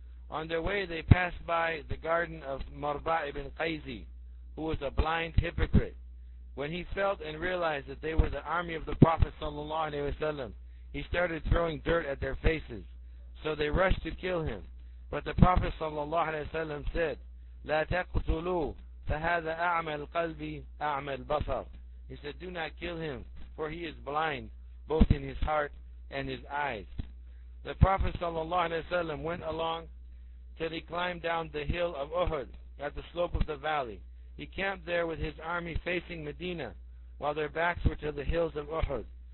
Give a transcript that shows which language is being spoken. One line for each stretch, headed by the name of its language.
English: On their way, they passed by the garden of Marba ibn Qayzi, who was a blind hypocrite. When he felt and realized that they were the army of the Prophet ﷺ, he started throwing dirt at their faces. So they rushed to kill him. But the Prophet ﷺ said,
Arabic: لا تقتلوا فهذا أعمى القلب أعمى البصر.
English: He said, do not kill him, for he is blind, both in his heart and his eyes. The Prophet ﷺ went along till he climbed down the hill of Uhud at the slope of the valley. He camped there with his army facing Medina, while their backs were to the hills of Uhud.